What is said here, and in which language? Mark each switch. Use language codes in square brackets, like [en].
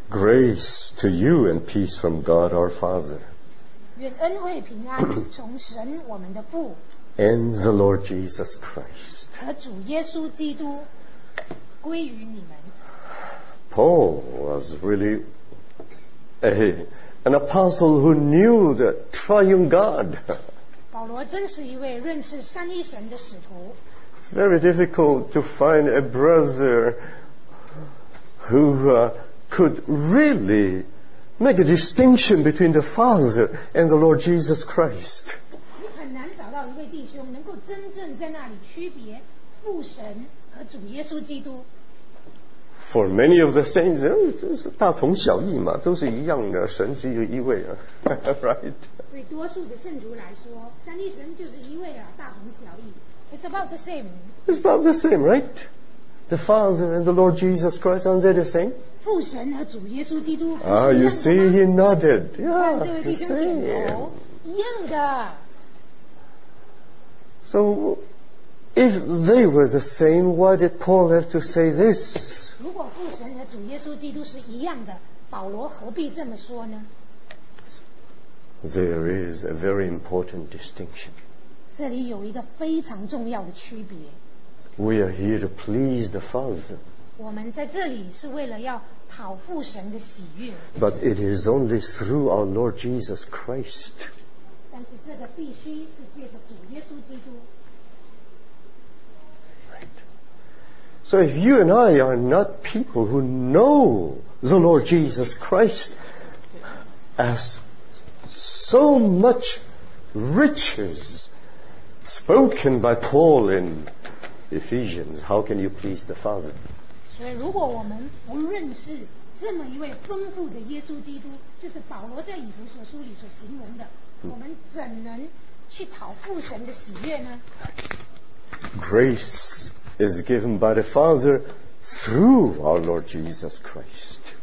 [en] Grace to you and peace from God our Father. [zh] 愿恩惠平安从神我们的父。 [en] and the Lord Jesus Christ. [zh] 和主耶稣基督归于你们。 [en] Paul was really an apostle who knew the triune God. [zh] 保罗真是一位认识三一神的使徒。 [en] It's very difficult to find a brother who could really make a distinction between the Father and the Lord Jesus Christ. [zh] 你很难找到一位弟兄能够真正在那里区别父神和主耶稣基督。 [en] For many of the saints, [zh] 都是大同小异嘛，都是一样的，神只有一位啊，right? 对多数的圣徒来说，三一神就是一位啊，大同小异。 [en] It's about the same. It's about the same, right? The Father and the Lord Jesus Christ, aren't they the same? [zh] 父神和主耶稣基督。 [en] Ah, you see, he nodded. Yeah, it's the same. [zh] 一样的。 [en] So, if they were the same, why did Paul have to say this? [zh] 如果父神和主耶稣基督是一样的，保罗何必这么说呢？ [en] There is a very important distinction. [zh] 这里有一个非常重要的区别。 [en] We are here to please the Father. [zh] 我们在这里是为了要讨父神的喜悦。 [en] But it is only through our Lord Jesus Christ. [zh] 但是这个必须是借着主耶稣基督。 [en] Right. So if you and I are not people who know the Lord Jesus Christ as so much riches. Spoken by Paul in Ephesians, how can you please the Father? [zh] 所以，如果我们不认识这么一位丰富的耶稣基督，就是保罗在以弗所书里所形容的，我们怎能去讨父神的喜悦呢？ [en] Grace is given by the Father through our Lord Jesus Christ.